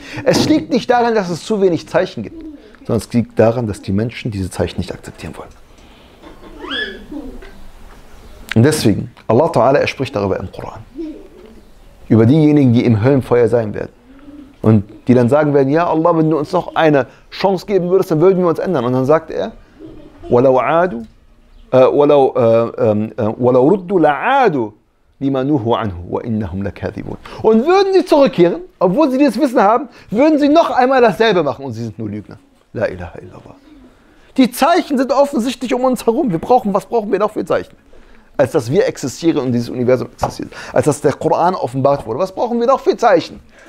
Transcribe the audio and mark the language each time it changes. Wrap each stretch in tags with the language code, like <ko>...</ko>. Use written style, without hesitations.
<de>Es liegt nicht daran, dass es zu wenig Zeichen gibt, sondern es liegt daran, dass die Menschen diese Zeichen nicht akzeptieren wollen. Und deswegen, Allah Ta'ala, er spricht darüber im Koran. Über diejenigen, die im Höllenfeuer sein werden. Und die dann sagen werden, ja Allah, wenn du uns noch eine Chance geben würdest, dann würden wir uns ändern. Und dann sagt er,</de> <ar>وَلَوْ عَادُوا وَلَوْ رُدُّ لَعَادُوا لِمَا نُهُوا عَنْهُ وَإِنَّهُمْ لَكَاذِبُونَ.</ar> <de>Und würden sie zurückkehren, obwohl sie dieses Wissen haben, würden sie noch einmal dasselbe machen und sie sind nur Lügner. La ilaha illallah. Die Zeichen sind offensichtlich um uns herum. Wir brauchen, was brauchen wir noch für Zeichen? Als dass wir existieren und dieses Universum existiert. Als dass der Koran offenbart wurde. Was brauchen wir noch für Zeichen?</de>